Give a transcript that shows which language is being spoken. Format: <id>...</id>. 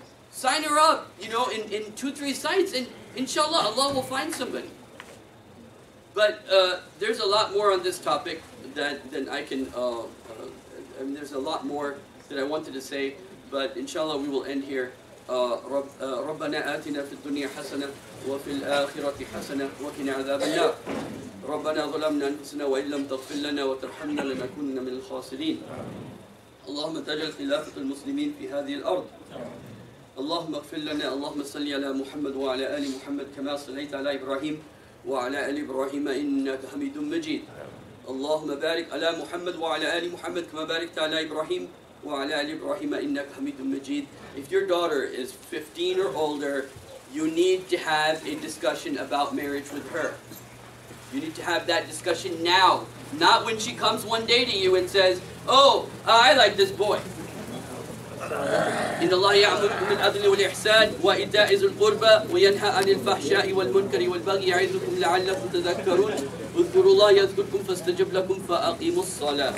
<en>Sign her up, you know, in 2-3 sites, and inshallah, Allah will find somebody. But there's a lot more on this topic than I can. I mean, there's a lot more that I wanted to say, but inshallah we will end here.</en> <ar>ربنا آتنا في الدنيا حسنة وفي الآخرة حسنة وقنا عذاب النار. ربنا ظلمنا أنفسنا وإن لم تغفر لنا وترحمنا لنكونن من الخاسرين. اللهم تجعل خلافة المسلمين في هذه الأرض. اللهم اغفر لنا. اللهم صل على محمد وعلى آل محمد كما صليت على إبراهيم وعلى آل إبراهيم إنك حميد مجيد. اللهم بارك على محمد وعلى آل محمد كما باركت على إبراهيم وعلى آل إبراهيم إنك حميد مجيد.</ar> <en>If your daughter is 15 or older, you need to have a discussion about marriage with her. You need to have that discussion now, not when she comes one day to you and says, "Oh, I like this boy."</en> <ar>إن الله يعمركم بالعدل والإحسان وإيتاء ذي القربى وينهى عن الفحشاء والمنكر والبغي يعظكم لعلكم تذكرون اذكروا الله يذكركم فاستجب لكم فأقيموا الصلاة.</ar>